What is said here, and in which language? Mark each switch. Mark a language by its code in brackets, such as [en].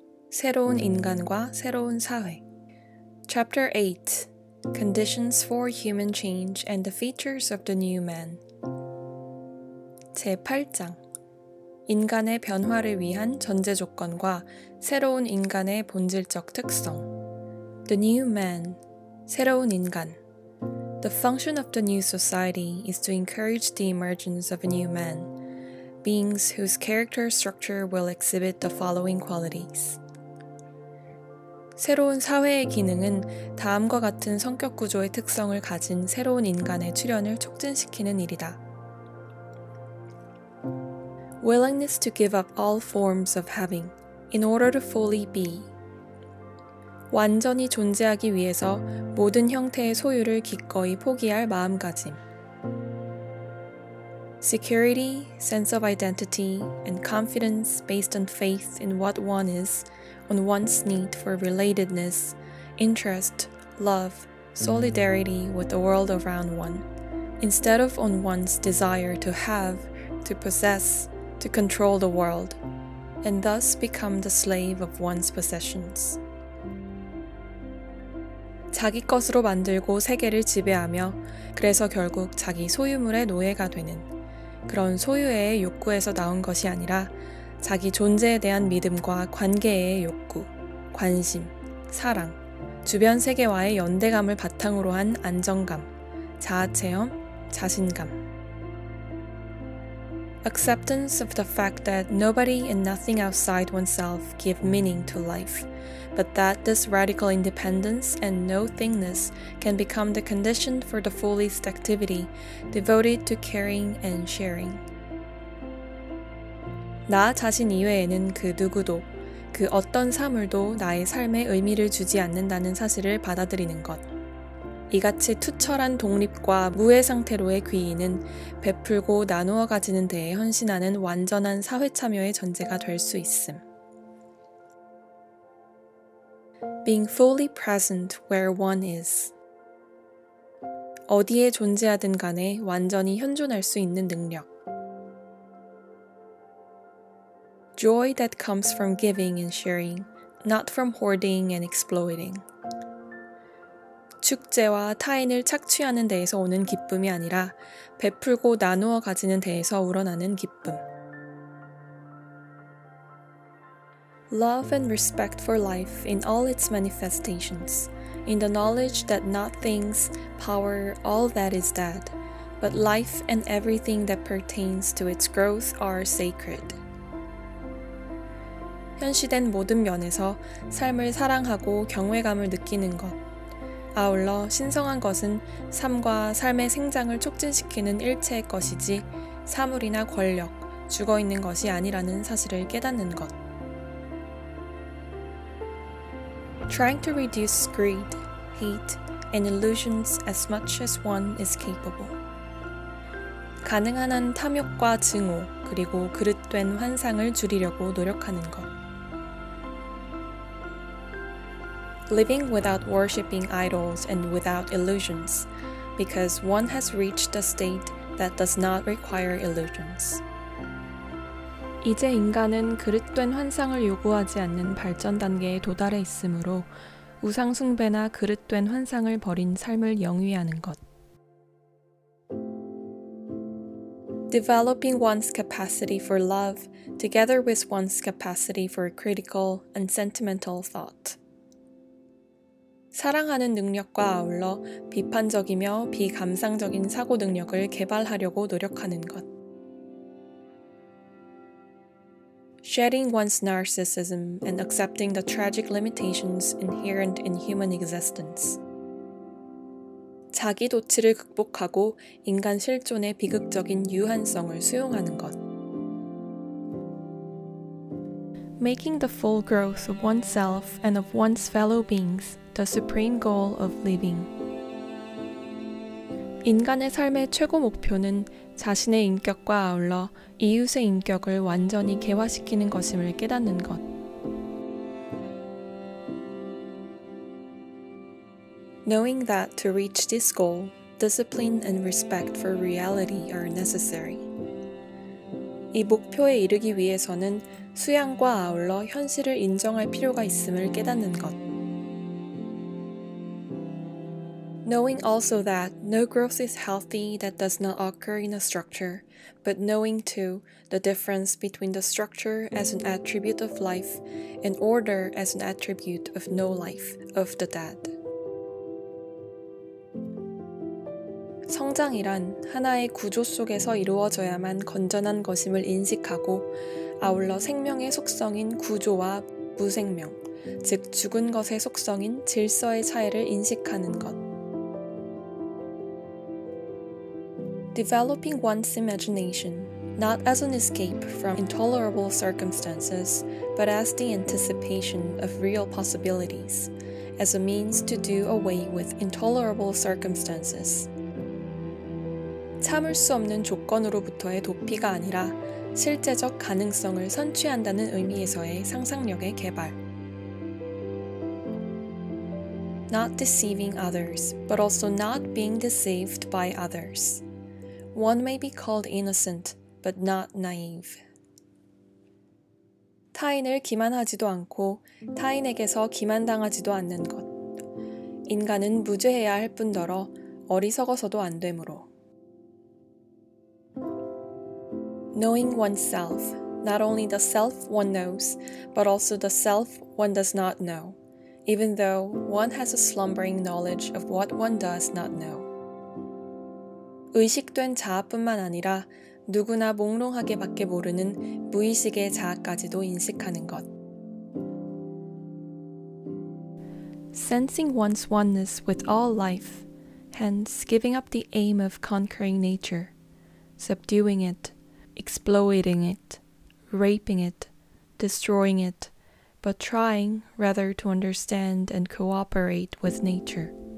[ko] 새로운 인간과 새로운 사회. [en] Chapter 8. Conditions for Human Change and the Features of the New Man. [ko] 제8장. 인간의 변화를 위한 전제 조건과 새로운 인간의 본질적 특성. [en] The New Man. [ko] 새로운 인간. [en] The function of the new society is to encourage the emergence of a new man, beings whose character structure will exhibit the following qualities. [ko] 새로운 사회의 기능은 다음과 같은 성격 구조의 특성을 가진 새로운 인간의 출현을 촉진시키는 일이다. [en] Willingness to give up all forms of having in order to fully be. [ko] 완전히 존재하기 위해서 모든 형태의 소유를 기꺼이 포기할 마음가짐. [en] Security, sense of identity, and confidence based on faith in what one is, on one's need for relatedness, interest, love, solidarity with the world around one, instead of on one's desire to have, to possess, to control the world, and thus become the slave of one's possessions. [ko] 자기 것으로 만들고 세계를 지배하며 그래서 결국 자기 소유물의 노예가 되는 그런 소유의 욕구에서 나온 것이 아니라 자기 존재에 대한 믿음과 관계의 욕구, 관심, 사랑, 주변 세계와의 연대감을 바탕으로 한 안정감, 자아체험, 자신감. [en] Acceptance of the fact that nobody and nothing outside oneself give meaning to life, but that this radical independence and no-thingness can become the condition for the fullest activity devoted to caring and sharing. [ko] 나 자신 이외에는 그 누구도, 그 어떤 사물도 나의 삶에 의미를 주지 않는다는 사실을 받아들이는 것. 이같이 투철한 독립과 무의 상태로의 귀의는 베풀고 나누어 가지는 데에 헌신하는 완전한 사회 참여의 전제가 될 수 있음. [en] Being fully present where one is. [ko] 어디에 존재하든 간에 완전히 현존할 수 있는 능력. [en] Joy that comes from giving and sharing, not from hoarding and exploiting. [ko] 축제와 타인을 착취하는 데에서 오는 기쁨이 아니라 베풀고 나누어 가지는 데에서 우러나는 기쁨. [en] Love and respect for life in all its manifestations, in the knowledge that not things, power, all that is dead, but life and everything that pertains to its growth are sacred. [ko] 현실된 모든 면에서 삶을 사랑하고 경외감을 느끼는 것. 아울러 신성한 것은 삶과 삶의 생장을 촉진시키는 일체의 것이지 사물이나 권력, 죽어있는 것이 아니라는 사실을 깨닫는 것. [en] Trying to reduce greed, hate, and illusions as much as one is capable. [ko] 가능한 한 탐욕과 증오, 그리고 그릇된 환상을 줄이려고 노력하는 것. [en] Living without worshipping idols and without illusions, because one has reached a state that does not require illusions. [ko] 이제 인간은 그릇된 환상을 요구하지 않는 발전 단계에 도달해 있으므로 우상 숭배나 그릇된 환상을 버린 삶을 영위하는 것. [en] Developing one's capacity for love together with one's capacity for critical and sentimental thought. [ko] 사랑하는 능력과 아울러 비판적이며 비감상적인 사고 능력을 개발하려고 노력하는 것. [en] Shedding one's narcissism and accepting the tragic limitations inherent in human existence. [ko] 자기 도취를 극복하고 인간 실존의 비극적인 유한성을 수용하는 것. [en] making the full growth of oneself and of one's fellow beings the supreme goal of living. [ko] 인간의 삶의 최고 목표는 자신의 인격과 아울러 이웃의 인격을 완전히 개화시키는 것임을 깨닫는 것. [en] Knowing that to reach this goal, discipline and respect for reality are necessary. [ko] 이 목표에 이르기 위해서는 수양과 아울러 현실을 인정할 필요가 있음을 깨닫는 것. [en] Knowing also that no growth is healthy that does not occur in a structure, but knowing too the difference between the structure as an attribute of life and order as an attribute of no life, of the dead. [ko] 성장이란 하나의 구조 속에서 이루어져야만 건전한 것임을 인식하고 아울러 생명의 속성인 구조와 무생명, 즉 죽은 것의 속성인 질서의 차이를 인식하는 것. [en] Developing one's imagination, not as an escape from intolerable circumstances, but as the anticipation of real possibilities, as a means to do away with intolerable circumstances. [ko] 참을 수 없는 조건으로부터의 도피가 아니라 실제적 가능성을 선취한다는 의미에서의 상상력의 개발. [en] Not deceiving others, but also not being deceived by others. One may be called innocent, but not naive. [ko] 타인을 기만하지도 않고 타인에게서 기만당하지도 않는 것. 인간은 무죄해야 할 뿐더러 어리석어서도 안 되므로. [en] Knowing oneself, not only the self one knows, but also the self one does not know, even though one has a slumbering knowledge of what one does not know. [ko] 의식된 자아뿐만 아니라 누구나 몽롱하게밖에 모르는 무의식의 자아까지도 인식하는 것. [en] Sensing one's oneness with all life, hence giving up the aim of conquering nature, subduing it, exploiting it, raping it, destroying it, but trying rather to understand and cooperate with nature.